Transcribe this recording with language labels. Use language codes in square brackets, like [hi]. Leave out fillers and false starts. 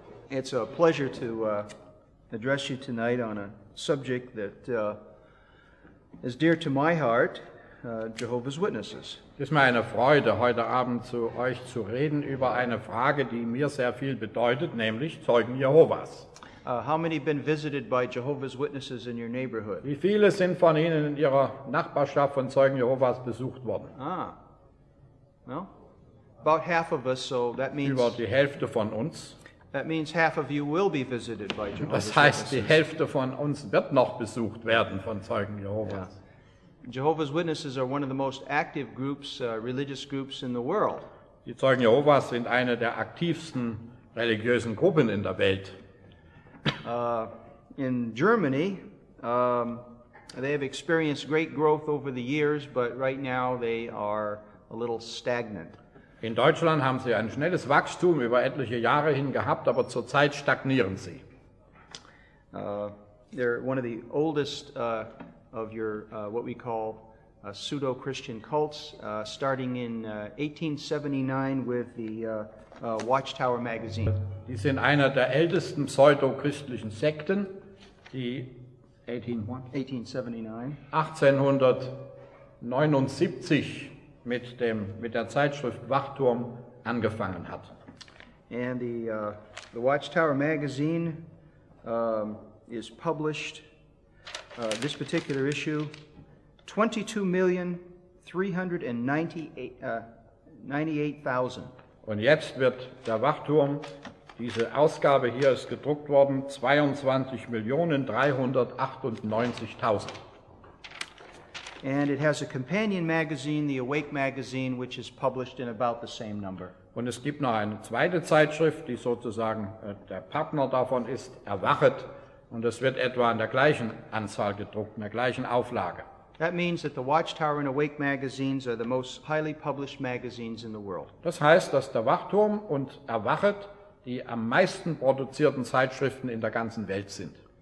[en] It's a pleasure to address you tonight on a subject that is dear to my heart, Jehovah's Witnesses. [de] Es ist mir eine Freude, heute Abend zu euch zu reden über eine Frage, die mir sehr viel bedeutet, nämlich Zeugen Jehovas. [en] How many have been visited by Jehovah's Witnesses in your neighborhood? [de] Wie viele sind von Ihnen in Ihrer Nachbarschaft von Zeugen Jehovas besucht worden? [en] About half of us, so that means... [de] Über die Hälfte von uns. [en] That means half of you will be visited by Jehovah's Witnesses. [de] Das heißt, die Hälfte von uns wird noch besucht werden von Zeugen Jehovas. [en] Yeah. Jehovah's Witnesses are one of the most active groups, religious groups in the world. [de] Die Zeugen Jehovas sind eine der aktivsten religiösen Gruppen in der Welt. [en] In Germany, they have experienced great growth over the years, but right now they are a little stagnant. [de] In Deutschland haben sie ein schnelles Wachstum über etliche Jahre hin gehabt, aber zurzeit stagnieren sie. [en] They're one of the oldest of your what we call pseudo-Christian cults, starting in 1879 with the Watchtower magazine. [de] Die sind einer der ältesten pseudo-christlichen Sekten, die 1879 mit der Zeitschrift Wachturm angefangen hat. [en] And the Watchtower magazine is published this particular issue 22,398,000. [de] Und jetzt wird der Wachturm, diese Ausgabe hier ist gedruckt worden, 22,398,000. [en] And it has a companion magazine, the Awake magazine, which is published in about the same number. [de] Und es gibt noch eine zweite Zeitschrift, die sozusagen der Partner davon ist, Erwachet, und es wird etwa in der gleichen Anzahl gedruckt, in der gleichen Auflage. [en] That means that the Watchtower and Awake magazines are the most highly published magazines in the world. [de] Das heißt, dass der Wachturm und Erwachet die am meisten produzierten Zeitschriften in der ganzen Welt sind.